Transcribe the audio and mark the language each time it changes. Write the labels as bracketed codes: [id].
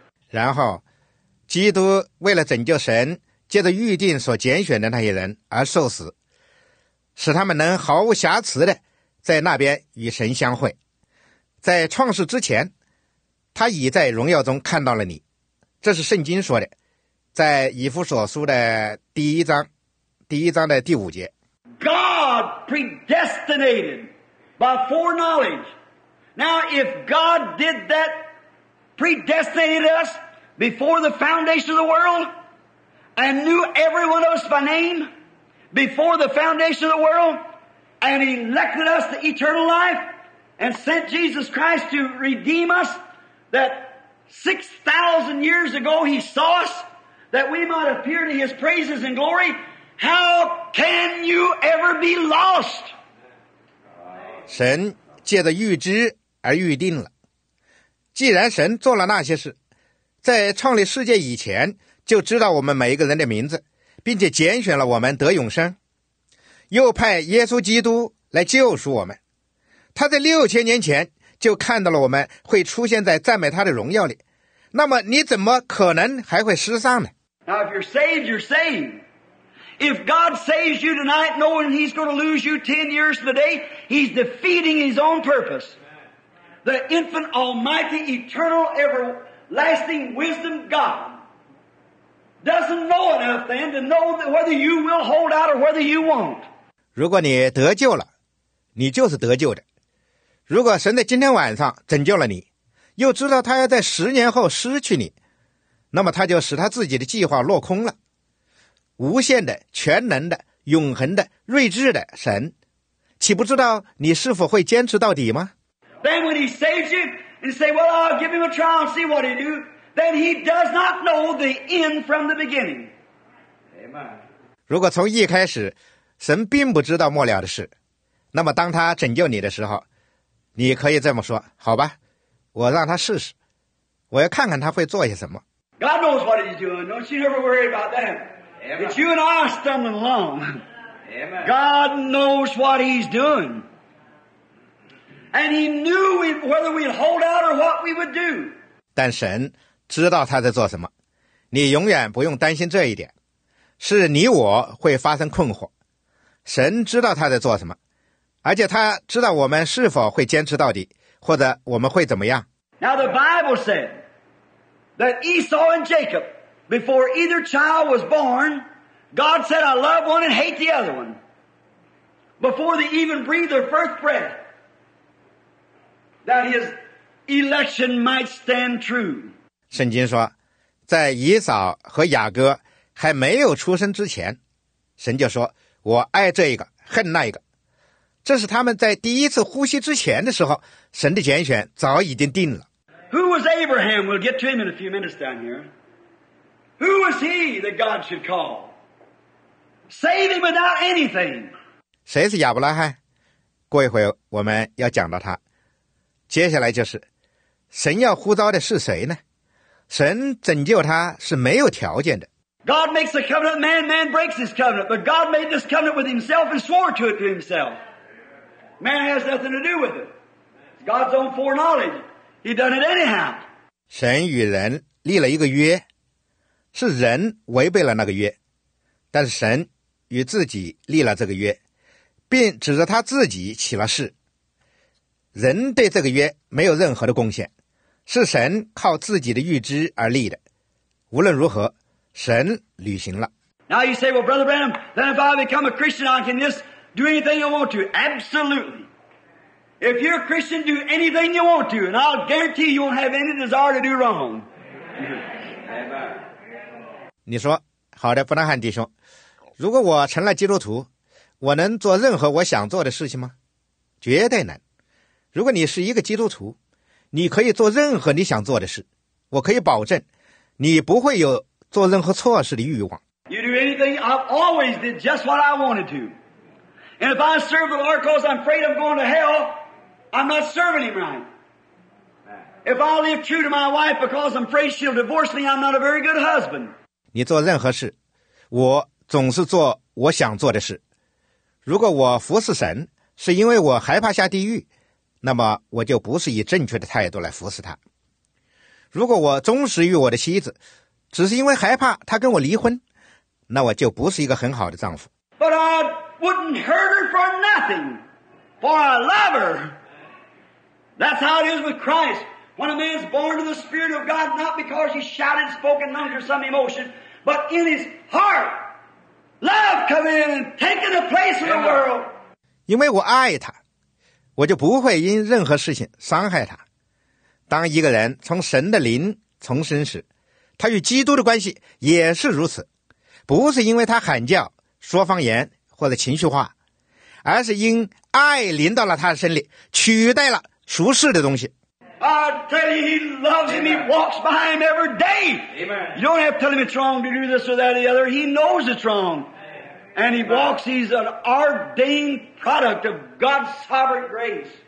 [zh] 然后，基督为了拯救神，借着预定所拣选的那些人而受死，使他们能毫无瑕疵的在那边与神相会。在创世之前，他已在荣耀中看到了你，这是圣经说的，在以弗所书的第一章的第五节。 [en] God predestinated. By foreknowledge. Now, if God did that, predestinated us before the foundation of the world, and knew every one of us by name before the foundation of the world, and elected us to eternal life, and sent Jesus Christ to redeem us, that 6,000 years ago He saw us, that we might appear to His praises and glory, how can you ever be lost? [zh] 神借着预知而预定了，既然神做了那些事，在创立世界以前就知道我们每一个人的名字，并且拣选了我们得永生，又派耶稣基督来救赎我们，他在6000年前就看到了我们会出现在赞美他的荣耀里，那么你怎么可能还会失丧呢？ [en] Now if you're saved, you're saved. If God saves you tonight knowing He's going to lose you 10 years from today, He's defeating His own purpose. The infinite, almighty, eternal, everlasting wisdom God doesn't know enough then to know that whether you will hold out or whether you won't. [zh] 如果你得救了，你就是得救的。如果神在今天晚上拯救了你，又知道他要在10年后失去你，那么他就使他自己的计划落空了。无限的、全能的、永恒的、睿智的神，岂不知道你是否会坚持到底吗？ [en] Then when he saves you, and say, well, I'll give him a trial and see what he do, then he does not know the end from the beginning. Amen. [zh] 如果从一开始神并不知道末了的事，那么当他拯救你的时候，你可以这么说，好吧，我让他试试，我要看看他会做些什么。 [en] God knows what he's doing. Don't you ever worry about that. Amen. It's you and I stumbling along. Amen. God knows what he's doing. And he knew whether we'd hold out or what we would do. [zh] 但神知道他在做什么，你永远不用担心这一点，是你我会发生困惑。神知道他在做什么，而且他知道我们是否会坚持到底，或者我们会怎么样。 [en] Now the Bible said that Esau and Jacob, before either child was born, God said, I love one and hate the other one. Before they even breathed their first breath, that his election might stand true. [zh] 圣经说，在以扫和雅各还没有出生之前，神就说，我爱这一个，恨那一个。这是他们在第一次呼吸之前的时候，神的拣选早已经定了。 [en] Who was Abraham? We'll get to him in a few minutes down here. Who was he that God should call? Save him without anything. [zh] 谁是亚伯拉罕？过一会我们要讲到他。接下来就是，神要呼召的是谁呢？神拯救他是没有条件的。 [en] God makes a covenant, man breaks his covenant, but God made this covenant with himself and swore to it to himself. Man has nothing to do with it. It's God's own foreknowledge. He done it anyhow. [zh] 神与人立了一个约，是人违背了那个约，但是神与自己立了这个约，并指着他自己起了誓。人对这个约没有任何的贡献，是神靠自己的预知而立的。无论如何，神履行了。 [en] Now you say, well, Brother Branham, then if I become a Christian, I can just do anything you want to. Absolutely. If you're a Christian, do anything you want to, and I'll guarantee you won't have any desire to do wrong. Amen. [zh] 你说，好的，布拉汉弟兄，如果我成了基督徒，我能做任何我想做的事情吗？绝对难。如果你是一个基督徒，你可以做任何你想做的事，我可以保证，你不会有做任何错事的欲望。 [en] You do anything? I've always did just what I wanted to. And if I serve the Lord because I'm afraid I'm going to hell, I'm not serving him right. If I live true to my wife because I'm afraid she'll divorce me, I'm not a very good husband. [zh] 你做任何事，我总是做我想做的事。如果我服侍神，是因为我害怕下地狱，那么我就不是以正确的态度来服侍他。如果我忠实于我的妻子，只是因为害怕他跟我离婚，那我就不是一个很好的丈夫。 [en] But I wouldn't hurt her for nothing, for I love her. That's how it is with Christ. When a man is born of the Spirit of God, not because he shouted, spoke in tongues or some emotion, but in his heart, love come in and taken the place of the world. [zh] 因为我爱他，我就不会因任何事情伤害他。当一个人从神的灵重生时，他与基督的关系也是如此，不是因为他喊叫、说方言或者情绪化，而是因爱临到了他的身里，取代了俗世的东西。 [en] I tell you, he loves him. He walks by him every day. Amen. You don't have to tell him it's wrong to do this or that or the other. He knows it's wrong, and he walks. He's an ordained product of God's sovereign grace.